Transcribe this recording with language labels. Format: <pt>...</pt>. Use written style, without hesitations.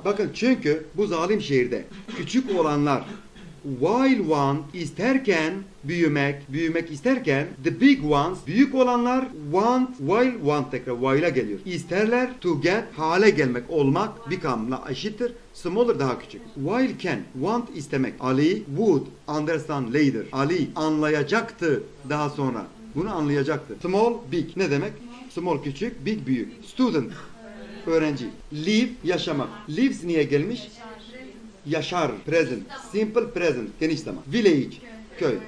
<tr>Bakın çünkü bu zalim şehirde küçük olanlar</tr> <en>while one</en> <tr>isterken büyümek isterken</tr> <en>the big ones,</en> <tr>büyük olanlar want,</tr> <en>while want,</en> <tr>tekrar while'a geliyor. İsterler</tr> <en>to get,</en> <tr>hale gelmek, olmak, become'la eşittir. Smaller, daha küçük.</tr> <en>While can, want,</en> <tr>istemek.</tr> <en>Ali would understand later.</en> <tr>Ali anlayacaktı daha sonra. Bunu anlayacaktı. Small, big. Ne demek? Small, küçük. Big, büyük. Student, öğrenci. Live, yaşamak. Lives niye gelmiş? Yaşar. Present.</tr> <en>Simple present.</en> <tr>Geniş zaman. Village. köy.</tr>